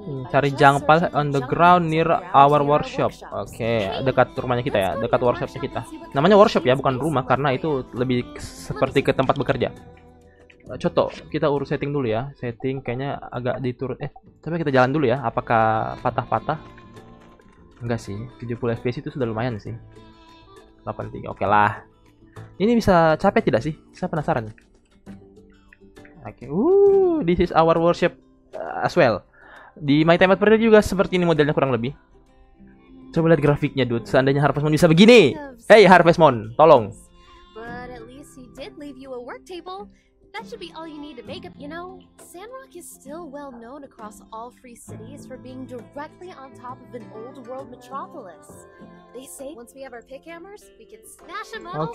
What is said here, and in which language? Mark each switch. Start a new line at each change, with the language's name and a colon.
English: Cari jangpal on the ground near our workshop.
Indonesian: Oke, okay, dekat rumahnya kita ya, dekat workshopnya kita. Namanya workshop ya, bukan rumah karena itu lebih seperti ke tempat bekerja. Coto, kita urus setting dulu ya. Setting kayaknya agak diturun. Tapi kita jalan dulu ya. Apakah patah-patah? Enggak sih. 70 FPS itu sudah lumayan sih. 83. Oke lah. Ini bisa capek tidak sih? Saya penasaran. Oke.
English: This is our workshop as well.
Indonesian: Di My Time at Parade juga seperti ini modelnya kurang lebih. Coba lihat grafiknya, dude. Seandainya Harvest Moon bisa begini. Hey, Harvest Moon, tolong.
English: But at least he did leave you a work table. That should be all you need to make up, you know. Sandrock is still well known across all free cities for being directly on top of an old world metropolis. They say once we have our pick hammers, we can smash them all.